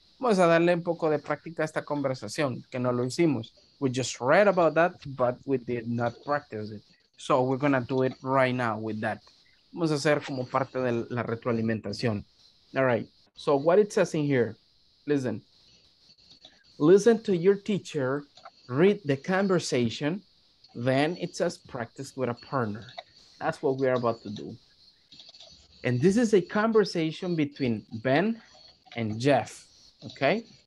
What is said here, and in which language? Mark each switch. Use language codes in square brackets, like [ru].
[es] Vamos a darle un poco de práctica a esta conversación, que no lo hicimos. [en] We just read about that, but we did not practice it. So we're gonna do it right now with that. [es] Vamos a hacer como parte de la retroalimentación. [en] All right. So what it says in here, listen to your teacher, read the conversation, then it says practice with a partner. That's what we are about to do. And this is a conversation between Ben and Jeff, okay?